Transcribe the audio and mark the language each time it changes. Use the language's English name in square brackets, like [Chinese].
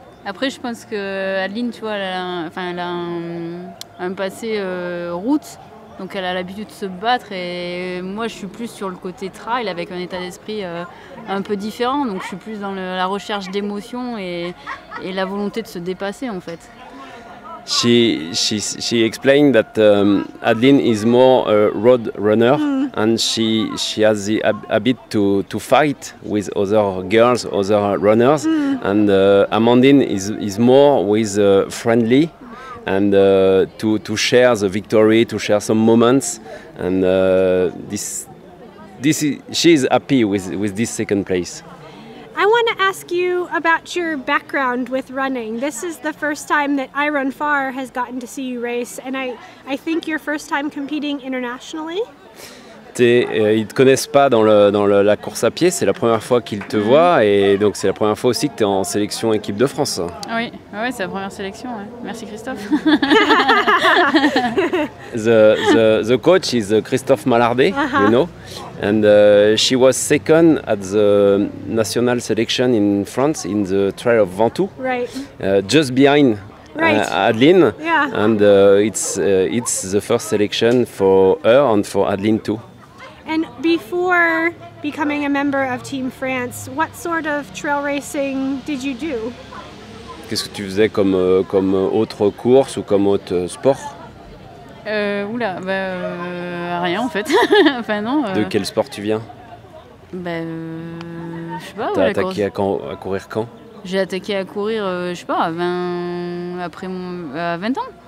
[French] Après, je pense que Adeline, tu vois, elle a un passé route, donc elle a l'habitude de se battre, et moi je suis plus sur le côté trail avec un état d'esprit un peu différent, donc je suis plus dans la recherche d'émotions et la volonté de se dépasser, en fait. [English] She explained that Adeline is more a road runner, and she has the habit to fight with other girls, other runners, and Amandine is more with friendly, and to share the victory, to share some moments, and she is happy with this second place. I want to ask you about your background with running. This is the first time that I Run Far has gotten to see you race, and I think your first time competing internationally. [French] Ils te connaissent pas dans la course à pied. C'est la première fois qu'ils te voient, et donc c'est la première fois aussi que tu es en sélection équipe de France. Oui, ouais, c'est la première sélection. Ouais. Merci Christophe. [English] the coach is Christophe Malardé, you know, and she was second at the national selection in France in the Trail of Ventoux, right? Just behind. Right. Adeline, yeah. And it's the first selection for her and for Adeline too. And before becoming a member of Team France, what sort of trail racing did you do? [French] Qu'est-ce que tu faisais comme autre course ou comme autre sport? Rien en fait. Enfin non. De quel sport tu viens? Je sais pas. T'as attaqué à courir quand? J'ai attaqué à courir, je sais pas, à 20 ans.